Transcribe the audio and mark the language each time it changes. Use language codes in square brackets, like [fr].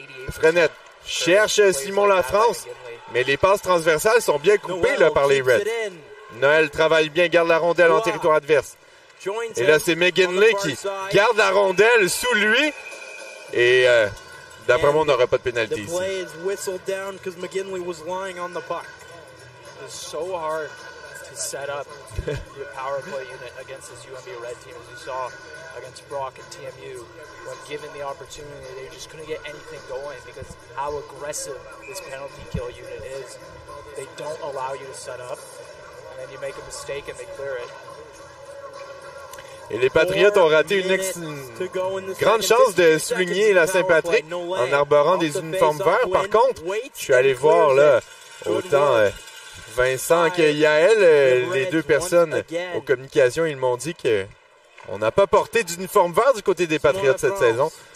[fr] Frenette cherche Simon Lefrance, mais les passes transversales sont bien coupées là, par les Reds. Noël travaille bien, garde la rondelle en territoire adverse. Et là, c'est McGinley qui garde la rondelle sous lui. Et d'après moi, on n'aurait pas de pénalité ici. [en] The play is whistled down because McGinley was lying on the puck. It's so hard to set up your power play unit against this UNB Red team, as you saw against Brock and TMU. When given the opportunity, they just couldn't get anything going because how aggressive this penalty kill unit is. They don't allow you to set up. And you make a mistake and they clear it. [fr] Et les Patriotes ont raté une grande chance de souligner la Saint-Patrick en arborant des uniformes verts. Par contre, je suis allé voir là, autant Vincent que Yaël, les deux personnes aux communications, ils m'ont dit qu'on n'a pas porté d'uniforme vert du côté des Patriotes cette saison.